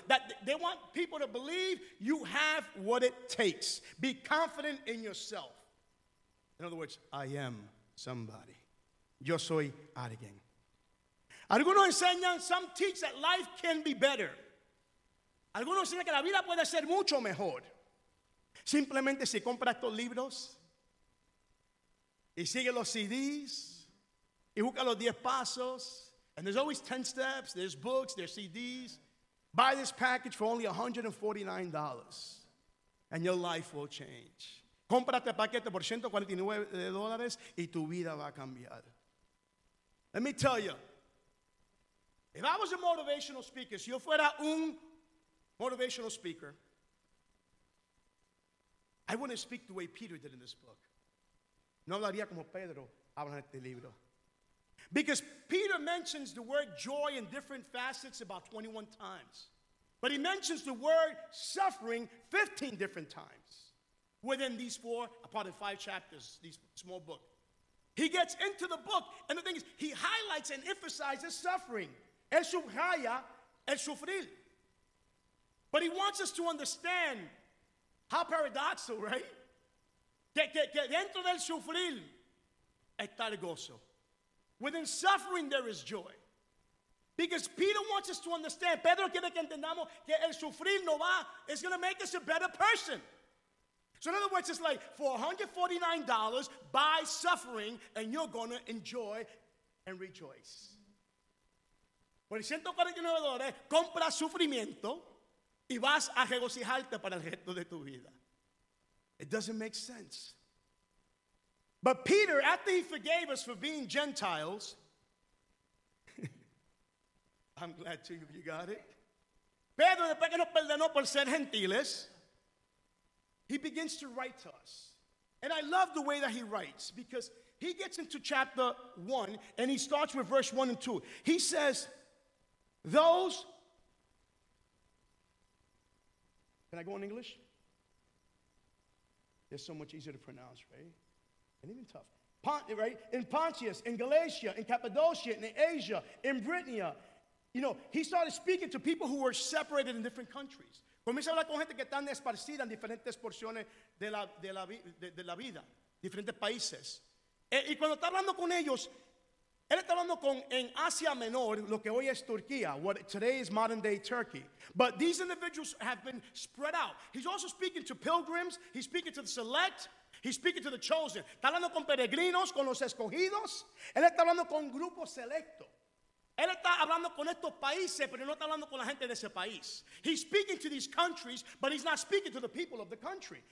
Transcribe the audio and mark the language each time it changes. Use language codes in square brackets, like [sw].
[en] That they want people to believe you have what it takes. Be confident in yourself. In other words, I am somebody. [es] Yo soy alguien. Algunos enseñan, [en] some teach that life can be better. [es] Algunos enseñan que la vida puede ser mucho mejor. Simplemente si compra estos libros y sigue los CDs. Y busca los 10 pasos. [en] And there's always 10 steps. There's books. There's CDs. Buy this package for only $149. And your life will change. [es] Compra este paquete por $149 y tu vida va a cambiar. [en] Let me tell you. If I was a motivational speaker, [es] si yo fuera un [en] motivational speaker, I wouldn't speak the way Peter did in this book. [es] No hablaría como Pedro habla en este libro. [en] Because Peter mentions the word joy in different facets about 21 times. But he mentions the word suffering 15 different times within these four, apart from five chapters, these small book. He gets into the book, and the thing is, he highlights and emphasizes suffering. [es] El subraya el sufrir. [en] But he wants us to understand how paradoxical, right? [es] Que dentro del sufrir está el gozo. [en] Within suffering, there is joy. Because Peter wants us to understand, [es] Pedro quiere que entendamos que el sufrir no va, [en] it's going to make us a better person. So in other words, it's like, for $149, buy suffering, and you're going to enjoy and rejoice. [es] Por $149, compra sufrimiento, y vas a regocijarte para el resto de tu vida. [en] It doesn't make sense. But Peter, after he forgave us for being Gentiles, I'm glad to you got it. [es] Pedro, después que nos perdonó por ser gentiles, [en] he begins to write to us. And I love the way that he writes, because he gets into chapter 1, and he starts with verse 1 and 2. He says, those, can I go in English? It's so much easier to pronounce, right? And even tough. In Pontius, in Galatia, in Cappadocia, in Asia, in Britannia. You know, he started speaking to people who were separated in different countries. [es] Comienza a hablar con gente que están esparcida en diferentes porciones de la vida, diferentes países. Y cuando está hablando con ellos, él está hablando con en Asia Menor, lo que hoy es Turquía, [en] what today is modern day Turkey. But these individuals have been spread out. He's also speaking to pilgrims, he's speaking to the select. He's speaking to the chosen. [es] Está hablando con peregrinos, con los escogidos. Él está hablando con grupos selectos. Él está hablando con estos países, pero no está hablando con la gente de ese país. [en] He's speaking to these countries, but he's not speaking to the people of the country.